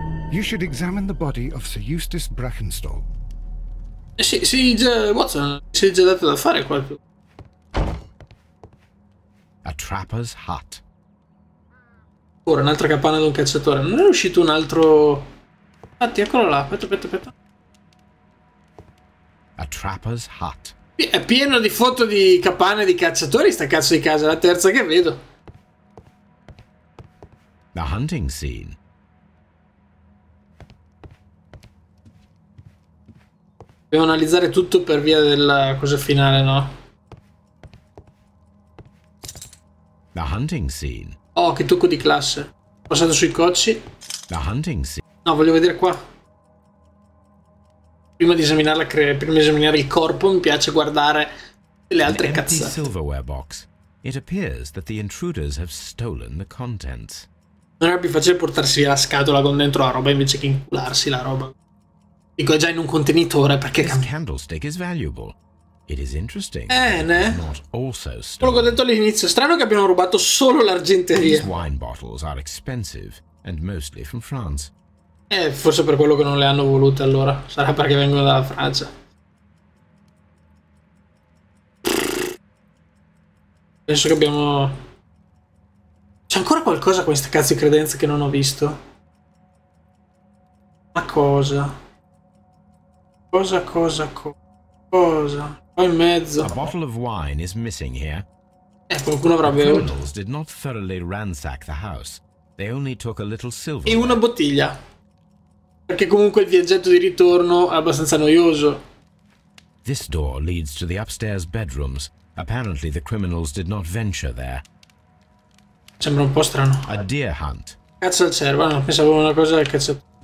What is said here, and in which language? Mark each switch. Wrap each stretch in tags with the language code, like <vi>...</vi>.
<en>You should examine the body of Sir Eustace Brackenstall.</en> <it>Sì, Watson, si è già dato da fare qua.</it> <en>A trapper's hut.</en> <it>Ora, un'altra capanna di un cacciatore. Non è uscito un altro... Infatti, eccolo là. Aspetta.</it> <en>A trapper's hut.</en> <it>È pieno di foto di capanne di cacciatori, sta cazzo di casa. È la terza che vedo.</it> <en>The hunting scene.</en> <it>Devo analizzare tutto per via della cosa finale, no?</it> <en>The hunting scene.</en> <it>Oh, che tocco di classe. Passato sui cocci.</it> <en>The hunting scene.</en> <it>No, voglio vedere qua. Prima di esaminare il corpo, mi piace guardare le altre cazzate.</it> <en>An empty silverware box. It appears that the intruders have stolen the contents.</en> <it>Non era più facile portarsi via la scatola con dentro la roba invece che incularsi la roba. Dico già in un contenitore perché</it> <en>this candlestick is valuable. It is interesting. Not also</en> <it>quello che ho detto all'inizio. Strano che abbiano rubato solo l'argenteria.</it> <en>These wine bottles are expensive and mostly from France.</en> <it>Forse per quello che non le hanno volute allora. Sarà perché vengono dalla Francia. Penso che abbiamo. C'è ancora qualcosa con queste cazzo di credenze che non ho visto. Una cosa. Cosa? Qua in mezzo.</it> <en>A bottle of wine is missing here.</en> <it>Qualcuno avrà bevuto.</it> <en>The criminals did not thoroughly ransack the house. They only took a little silver.</en> <it>E una bottiglia. Perché comunque il viaggetto di ritorno è abbastanza noioso.</it> <en>This door leads to the upstairs bedrooms. Apparently the criminals did not venture there.</en> <it>Sembra un po' strano.</it> <en>A deer hunt.</en> <it>Cazzo al cervo, no, pensavo una cosa del cazzo.</it>